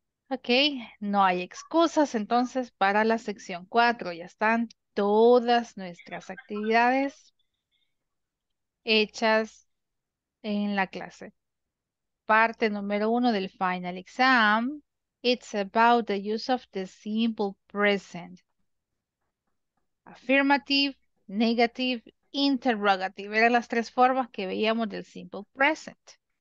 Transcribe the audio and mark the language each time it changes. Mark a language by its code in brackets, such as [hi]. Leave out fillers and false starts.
[es] Okay, no hay excusas entonces para la sección 4. Ya están todas nuestras actividades hechas en la clase. Parte número 1 del final exam. [en] It's about the use of the simple present. Affirmative, negative, interrogative. [es] Eran las tres formas que veíamos del simple present.